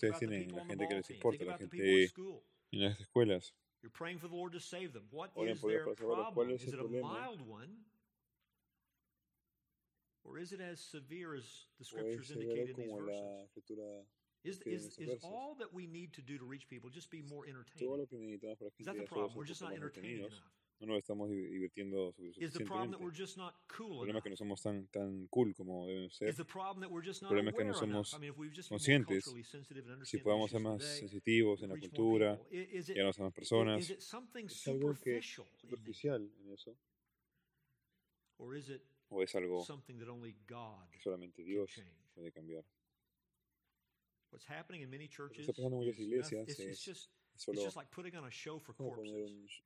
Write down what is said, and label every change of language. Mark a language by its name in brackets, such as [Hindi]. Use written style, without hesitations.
[Spanish] Que ustedes tienen, la gente que les importa, la gente en las escuelas. [English] You're praying for the Lord to save them. What is their problem? Is it a mild one? Or is it as severe as the scriptures indicate in these verses? Is all that we need to do to reach people just be more entertaining? Is that the problem? We're just not entertaining enough. [Spanish] No nos estamos divirtiendo suficientemente. [English] Cool enough? [Spanish] El problema es que no somos tan cool como deben ser. [English] The problem that we're just not [Spanish] el problema es que no somos conscientes. Si podemos ser más sensitivos en la cultura, llegarnos a más personas. ¿Es algo que es superficial en eso? ¿O es algo que solamente Dios puede cambiar? Lo que está pasando en muchas iglesias es [English] it's just like putting on a show for corpses.